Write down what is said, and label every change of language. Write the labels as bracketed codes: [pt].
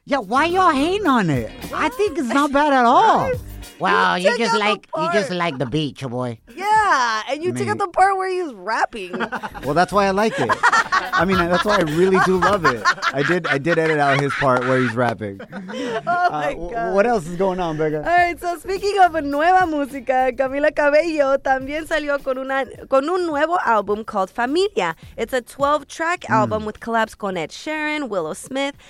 [en] Yeah, why y'all hating on it? I think it's not bad at all. Wow, you just like the beat, your boy. Yeah, and you took out the part where he's rapping. Well, that's why I like it. I mean, that's why I really do love it. I did edit out his part where he's rapping. Oh my God. What else is going on, Becca? All right, so speaking of [es] nueva música, Camila Cabello también salió con un nuevo album [en] called [es] Familia. [en] It's a 12-track album with collabs [es] con [en] Ed Sheeran, Willow Smith.